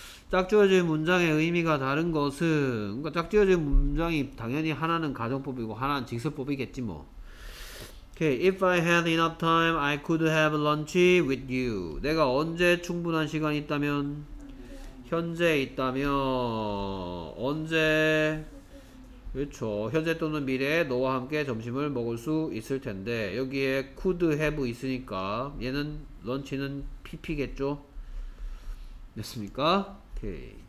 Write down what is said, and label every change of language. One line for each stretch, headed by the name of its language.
Korean: 짝지어진 문장의 의미가 다른 것은, 그러니까 짝지어진 문장이 당연히 하나는 가정법이고 하나는 직설법이겠지 뭐. 오케이.
English: If I had enough time, I could have lunch with you.
Korean: 내가 언제 충분한 시간이 있다면, 현재 있다면, 언제, 그렇죠. 현재 또는 미래에 너와 함께 점심을 먹을 수 있을 텐데, 여기에 could have 있으니까 얘는 런치는 PP겠죠? 됐습니까? 오케이.